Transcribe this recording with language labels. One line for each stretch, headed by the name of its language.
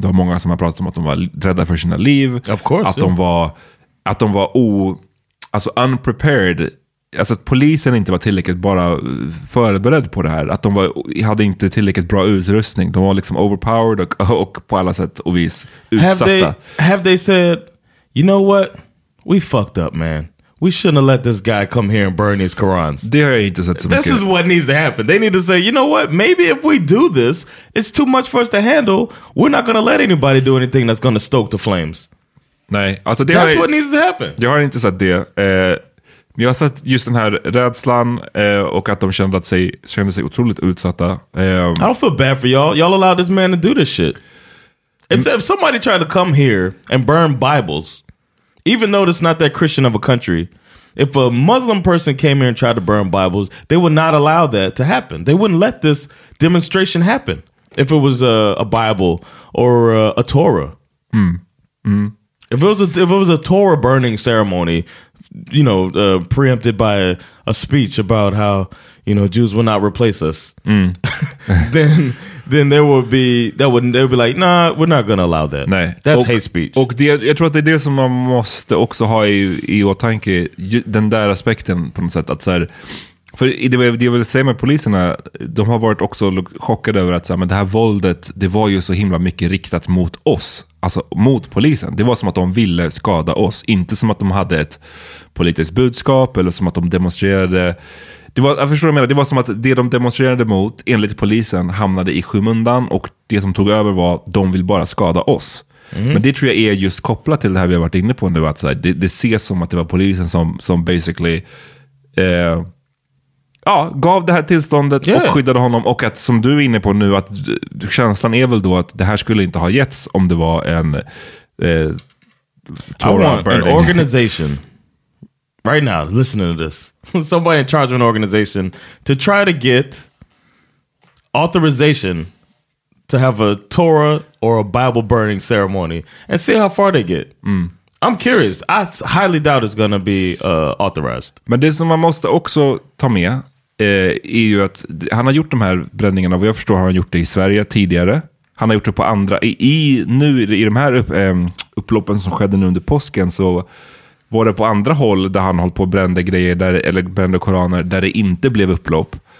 Swedish: Det var många som har pratat om att de var rädda för sina liv.
English: Of course,
Swedish: att de var unprepared. Alltså att polisen inte var tillräckligt bara förberedd på det här. Att de hade inte tillräckligt bra utrustning. De var liksom overpowered och på alla sätt och vis utsatta.
English: Have they said, you know what? We fucked up, man. We shouldn't have let this guy come here and burn his Qurans.
Swedish: Det har jag inte sett så mycket.
English: This is what needs to happen. They need to say, you know what? Maybe if we do this, it's too much for us to handle. We're not going to let anybody do anything that's going to stoke the flames.
Swedish: Nej, alltså det
English: That's what needs to happen.
Swedish: Jag har inte sett det. Men jag har sett just den här rädslan och att de kände sig otroligt utsatta.
English: I don't feel bad for y'all. Y'all allowed this man to do this shit. If somebody tried to come here and burn Bibles, even though it's not that Christian of a country, if a Muslim person came here and tried to burn Bibles, they would not allow that to happen. They wouldn't let this demonstration happen if it was a Bible or a Torah. Mm. Mm. If it was a Torah burning ceremony, you know, preempted by a speech about how, you know, Jews will not replace us, then they would be like, nah, we're not gonna allow that.
Swedish: Nej.
English: That's hate speech.
Swedish: Och det, jag tror att det är det som man måste också ha i åtanke, den där aspekten på något sätt, att så här, för det jag vill säga med poliserna, de har varit också chockade över att så här, men det här våldet, det var ju så himla mycket riktat mot oss. Alltså mot polisen. Det var som att de ville skada oss. Inte som att de hade ett politiskt budskap eller som att de demonstrerade. Jag förstår vad jag menar. Det var som att det de demonstrerade mot, enligt polisen, hamnade i skymundan. Och det som tog över var att de vill bara skada oss. Mm. Men det tror jag är just kopplat till det här vi har varit inne på nu. Att så här, det ses som att det var polisen som basically gav det här tillståndet och skyddade honom, och att, som du är inne på nu, att känslan är väl då att det här skulle inte ha getts om det var en
English: An organization right now listening to this. Somebody in charge of an organization to try to get authorization to have a Torah or a Bible burning ceremony and see how far they get. I'm curious. I highly doubt it's gonna be authorized.
Swedish: Men det som man måste också ta med är ju att han har gjort de här bränningarna, och jag förstår att han har gjort det i Sverige tidigare. Han har gjort det på andra. I de här upploppen som skedde nu under påsken, så var det på andra håll där han hållit på och brände grejer där, eller brände koraner, där det inte blev upplopp.